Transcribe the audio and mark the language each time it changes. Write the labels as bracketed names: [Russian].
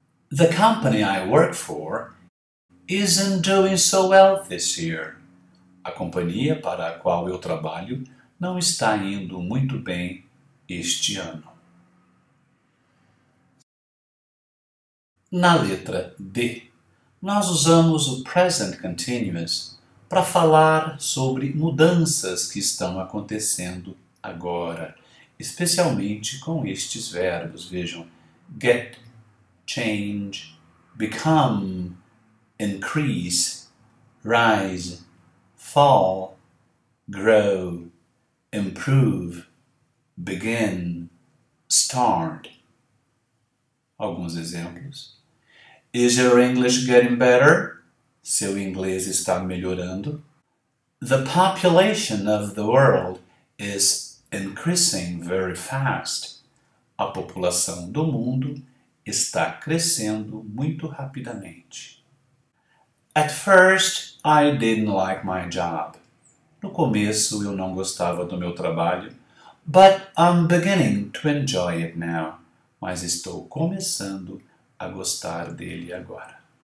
[English] The company I work for isn't doing so well this year. [Portuguese] A companhia para a qual eu trabalho não está indo muito bem este ano. Na letra D, nós usamos o present continuous para falar sobre mudanças que estão acontecendo agora, especialmente com estes verbos. Vejam, get, change, become, increase, rise, fall, grow, improve, begin, start. Alguns exemplos. [English] Is your English getting better? [Portuguese] Seu inglês está melhorando. [English] The population of the world is increasing very fast. [Portuguese] A população do mundo está crescendo muito rapidamente. [English] At first, I didn't like my job. [Portuguese] No começo, eu não gostava do meu trabalho. [English] But I'm beginning to enjoy it now. [Portuguese] Mas estou começando a gostar dele agora.